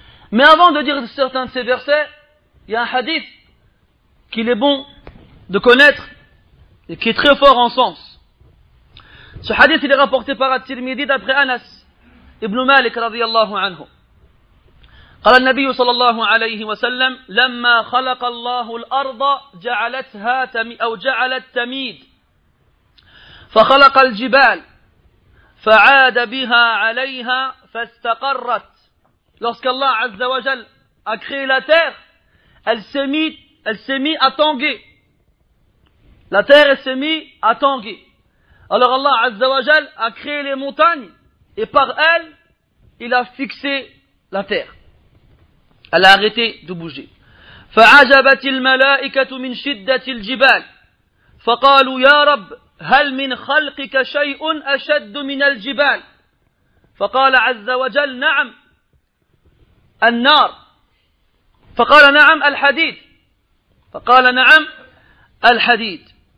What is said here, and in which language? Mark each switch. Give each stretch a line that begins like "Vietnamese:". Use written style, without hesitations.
French: Mais avant de dire certains de ces versets, il y a un hadith qu'il est bon de connaître et qui est très fort en sens. Ce hadith, il est rapporté par At-Tirmidhi d'après Anas ibn Malik radiyallahu anhu.
Arabic: قال النبي صلى الله عليه وسلم لما خلق الله الأرض جعلتها أو جعلت تميد فخلق الجبال فعاد بها عليها فاستقرت.
French: Lorsque Allah عز وجل a créé la terre, elle s'est mise à tanguer. La terre s'est mise à tanguer. Alors Allah عز وجل a créé les montagnes et par elles il a fixé la terre. Elle a arrêté de bouger.
Arabic: فعجبت الملائكة من شدة الجبال فقالوا يا رب هل من خلقك شيء أشد من الجبال فقال عز وجل نعم النار فقال نعم الحديد فقال نعم الحديد.